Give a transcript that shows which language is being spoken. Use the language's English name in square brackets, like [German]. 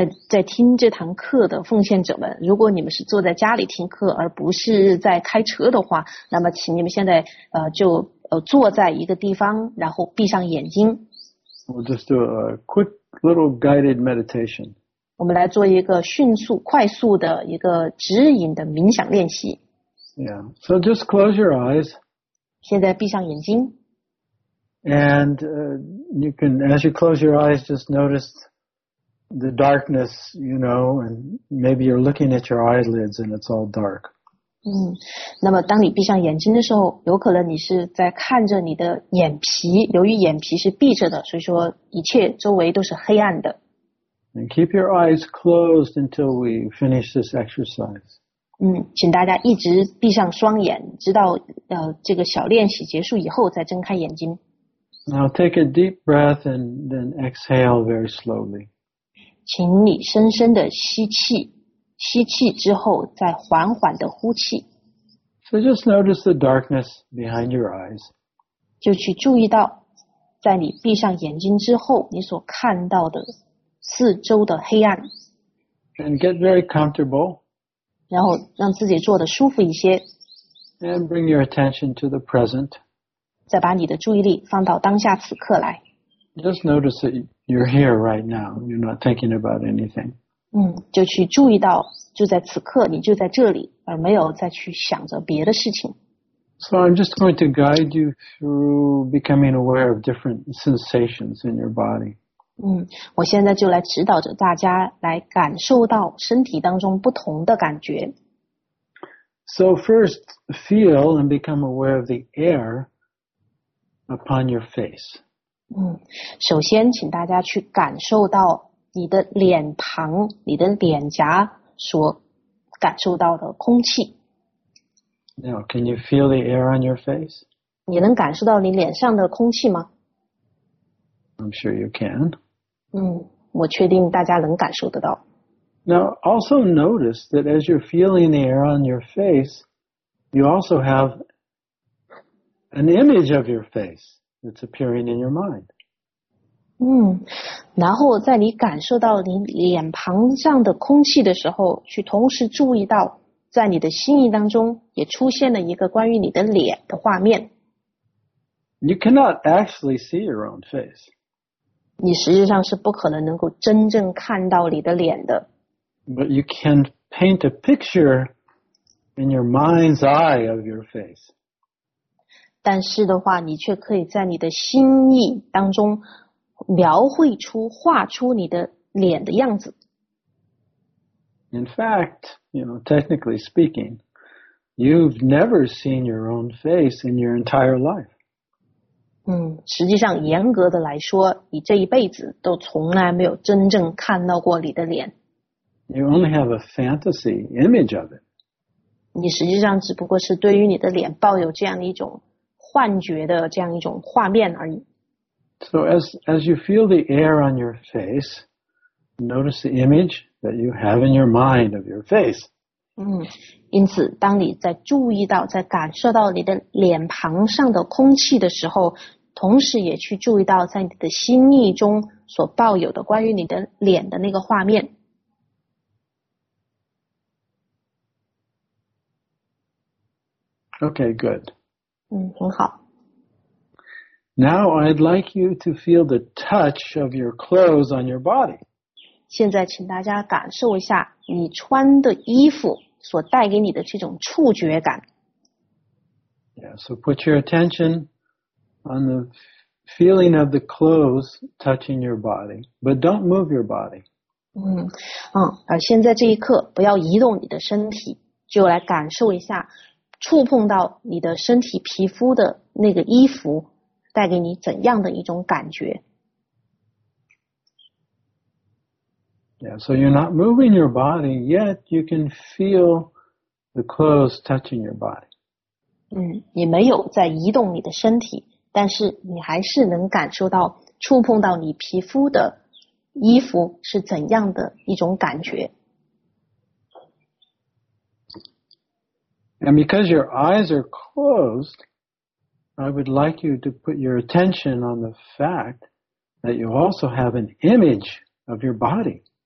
[Chinese] 在听这堂课的奉献者们，如果你们是坐在家里听课而不是在开车的话，那么请你们现在坐在一个地方，然后闭上眼睛。 [English] We'll just do a quick little guided meditation. [Chinese] 我们来做一个迅速、快速的一个指引的冥想练习。 [English] Yeah, so just close your eyes. [Chinese] 现在闭上眼睛。 [English] And you can, as you close your eyes, just notice the darkness, you know, and maybe you're looking at your eyelids and it's all dark. [Chinese] 那么当你闭上眼睛的时候，有可能你是在看着你的眼皮，由于眼皮是闭着的，所以说一切周围都是黑暗的。 [English] And keep your eyes closed until we finish this exercise. [Chinese] 请大家一直闭上双眼，直到这个小练习结束以后再睁开眼睛。 [English] Now take a deep breath and then exhale very slowly. [Chinese] 请你深深的吸气，吸气之后再缓缓的呼气。 [English] So just notice the darkness behind your eyes. [Chinese] 就去注意到，在你闭上眼睛之后，你所看到的四周的黑暗。 [English] And get very comfortable. [Chinese] 然后让自己坐得舒服一些。 [English] And bring your attention to the present. [Chinese] 再把你的注意力放到当下此刻来。 [English] Just notice that you're here right now. You're not thinking about anything. [Chinese] 就去注意到，就在此刻，你就在这里，而没有再去想着别的事情。 [English] So I'm just going to guide you through becoming aware of different sensations in your body. [Chinese] 我现在就来指导着大家来感受到身体当中不同的感觉。 [English] So first, feel and become aware of the air. Upon your face. [Chinese] 首先请大家去感受到你的脸庞，你的脸颊所感受到的空气。 [English] Now, can you feel the air on your face? [Chinese] 你能感受到你脸上的空气吗？ [English] I'm sure you can. [Chinese] 我确定大家能感受得到。 [English] Now, also notice that as you're feeling the air on your face, you also have... An image of your face that's appearing in your mind. [Chinese] 然后在你感受到你脸庞上的空气的时候，去同时注意到，在你的心意当中也出现了一个关于你的脸的画面。 [English] You cannot actually see your own face. [Chinese] 你实际上是不可能能够真正看到你的脸的。 [English] But you can paint a picture in your mind's eye of your face. [Chinese] 但是的话，你却可以在你的心意当中描绘出、画出你的脸的样子。 [English] In fact, you know, technically speaking, you've never seen your own face in your entire life. [Chinese] 实际上，严格的来说，你这一辈子都从来没有真正看到过你的脸。 [English] You only have a fantasy image of it. [Chinese] 你实际上只不过是对于你的脸抱有这样的一种。幻觉的这样一种画面而已。 [English] So as you feel the air on your face, notice the image that you have in your mind of your face. [Chinese] 因此当你在注意到在感受到你的脸庞上的空气的时候，同时也去注意到在你的心意中所抱有的关于你的脸的那个画面。 [English] Okay, good. [Chinese] 很好。 [English] Now I'd like you to feel the touch of your clothes on your body. [Chinese] 现在请大家感受一下你穿的衣服所带给你的这种触觉感。 [English] Yeah, so put your attention on the feeling of the clothes touching your body, but don't move your body. [Chinese] 现在这一刻不要移动你的身体，就来感受一下触碰到你的身体皮肤的那个衣服带给你怎样的一种感觉。 [English] Yeah, so you're not moving your body, yet you can feel the clothes touching your body. [Chinese] 你没有在移动你的身体，但是你还是能感受到触碰到你皮肤的衣服是怎样的一种感觉。 [English] And because your eyes are closed, I would like you to put your attention on the fact that you also have an image of your body.